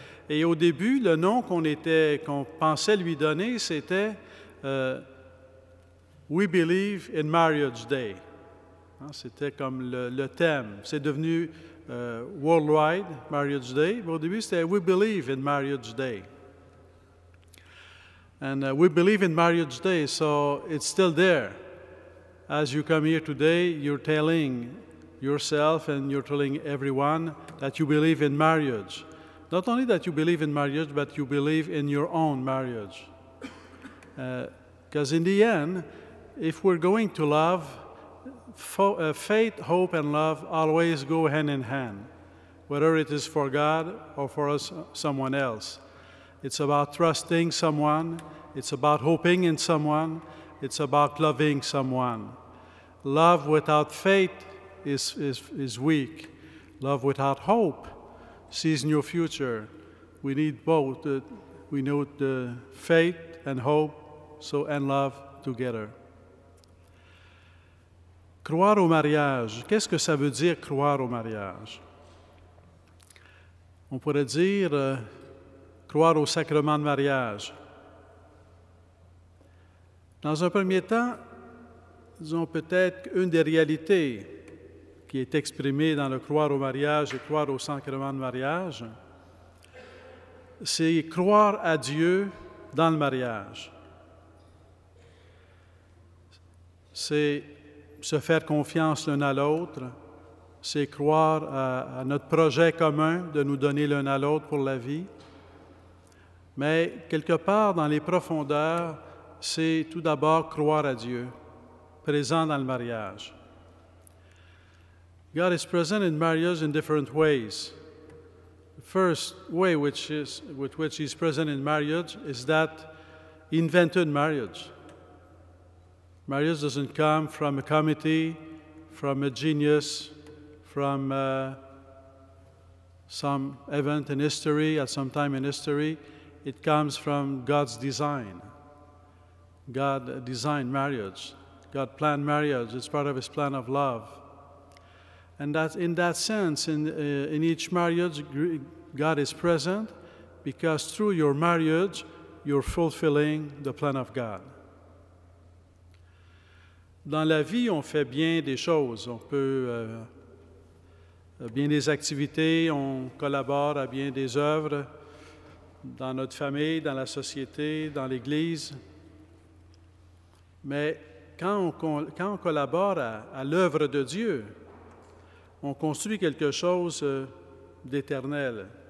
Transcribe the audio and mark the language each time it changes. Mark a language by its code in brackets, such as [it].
[fr] Et au début, le nom qu'on pensait lui donner, c'était « [en] We believe in Marriage Day ». [fr] Hein, c'était comme le thème. C'est devenu « Worldwide Marriage Day ». Au début, c'était « [en] We believe in Marriage Day ». And « We believe in Marriage Day », so it's still there. As you come here today, you're telling yourself and you're telling everyone that you believe in marriage. Not only that you believe in marriage, but you believe in your own marriage. Because in the end, if we're going to love, faith, hope, and love always go hand in hand, whether it is for God or for us, someone else. It's about trusting someone. It's about hoping in someone. It's about loving someone. Love without faith is weak. Love without hope. Season your future. We need both. We need the faith and hope, so and love together. [fr] Croire au mariage. Qu'est-ce que ça veut dire croire au mariage? On pourrait dire croire au sacrement de mariage. Dans un premier temps, disons peut-être une des réalités qui est exprimé dans le croire au mariage et croire au sacrement de mariage, c'est croire à Dieu dans le mariage. C'est se faire confiance l'un à l'autre, c'est croire à notre projet commun de nous donner l'un à l'autre pour la vie. Mais quelque part dans les profondeurs, c'est tout d'abord croire à Dieu, présent dans le mariage. [en] God is present in marriage in different ways. The first way with which He's present in marriage is that He invented marriage. Marriage doesn't come from a committee, from a genius, from some event in history, at some time in history. It comes from God's design. God designed marriage. God planned marriage. It's part of His plan of love. And that, in that sense, in each marriage, God is present, because through your marriage, you're fulfilling the plan of God. [fr] Dans la vie, on fait bien des choses. On peut bien des activités, on collabore à bien des œuvres dans notre famille, dans la société, dans l'Église. Mais quand on collabore à l'œuvre de Dieu, on construit quelque chose d'éternel.